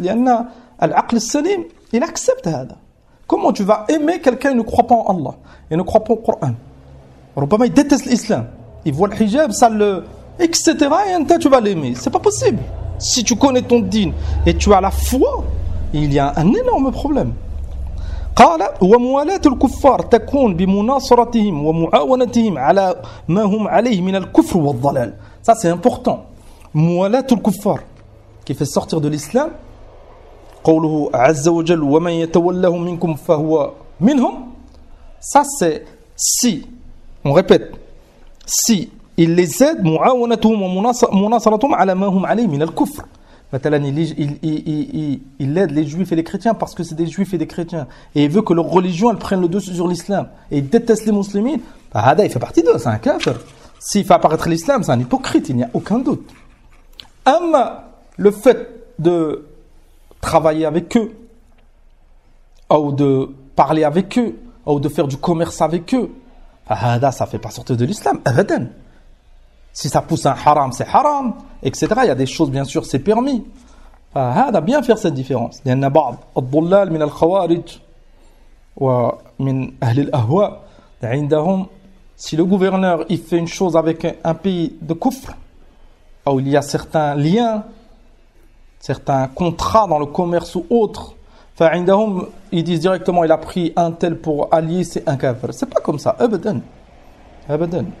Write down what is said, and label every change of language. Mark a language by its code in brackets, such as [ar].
[ar] Lianna, al-aql salim, [fr] il accepte ça. Comment tu vas aimer quelqu'un qui ne croit pas en Allah et ne croit pas au Coran? [ar] Rubama, [fr] il déteste l'islam. Il voit le hijab, ça le. Etc. Et Santa, tu vas l'aimer. Ce n'est pas possible. Si tu connais ton dîn et tu as la foi, il y a un énorme problème. [ar] قال وموالاة الكفار تكون بمناصرتهم ومعاونتهم على ما هم عليه من الكفر والضلال. [fr] Ça c'est important. [ar] موالاة الكفار [fr] qui fait sortir de l'islam. [ar] قوله عز وجل ومن يتولهم منكم فهو منهم. [fr] Ça c'est si, on répète, si il les aide, [ar] معاونتهم ومناصرتهم على ما هم عليه من الكفر. [fr] Il aide les juifs et les chrétiens parce que c'est des juifs et des chrétiens. Et il veut que leur religion elle prenne le dessus sur l'islam. Et il déteste les musulmans. [ar] Hada, [fr] il fait partie d'eux, c'est un kafir. S'il fait apparaître l'islam, c'est un hypocrite, il n'y a aucun doute. [ar] Amma, [fr] le fait de travailler avec eux, ou de parler avec eux, ou de faire du commerce avec eux, [ar] hada, [fr] ça ne fait pas sortir de l'islam. Si ça pousse un haram, c'est haram, etc. Il y a des choses, bien sûr, c'est permis. Ah, d'a bien faire cette différence. Il y en a [ar] بعض الضلال من الخوارج ومن أهل الأهواء عندهم. [fr] Si le gouverneur il fait une chose avec un pays de kufr, où il y a certains liens, certains contrats dans le commerce ou autre, [ar] فعندهم [fr] ils disent directement il a pris un tel pour allier, c'est un kafir. C'est pas comme ça. [ar] Abadan. Abadan.